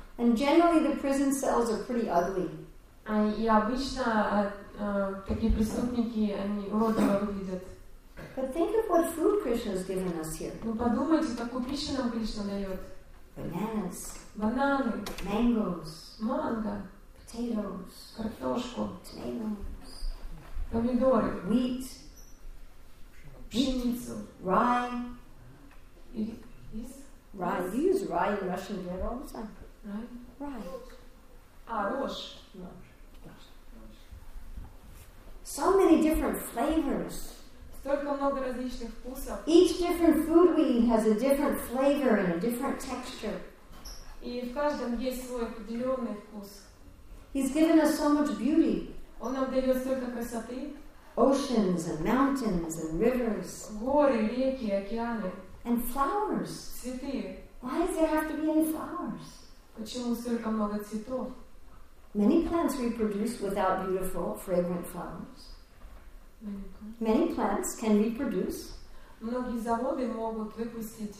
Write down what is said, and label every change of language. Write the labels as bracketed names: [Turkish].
[English] And generally the prison cells are pretty ugly. [Russian] И обычно такие преступники, они уродливо выглядят. [English] But think of what food Krishna has given us here. [Russian] Ну подумайте, какую пищу нам Кришна дает. [English] Bananas. [Russian] Бананы, [English] mangoes, [Russian] манго, [English] potatoes, [Russian] картошку, [English] tomatoes, [Russian] помидоры, [English] wheat, [Russian] пшеницу, [English] rye. Do you use rye in Russian bread all the time? Rye. [Russian] Рожь. [English] So many different flavors. [Russian] Столько много различных вкусов. [English] Each different food we eat has a different flavor and a different texture. [Russian] И в каждом есть свой определенный вкус. [English] He's given us so much beauty. [Russian] Он нам дает столько красоты. [English] Oceans and mountains and rivers. [Russian] Горы, реки, океаны. [English] And flowers. [Russian] Цветы. [English] Why does there have to be any flowers? [Russian] Почему столько много цветов? [English] Many plants reproduce without beautiful, fragrant flowers. Many plants can reproduce. [Russian] Многие заводы могут выпустить.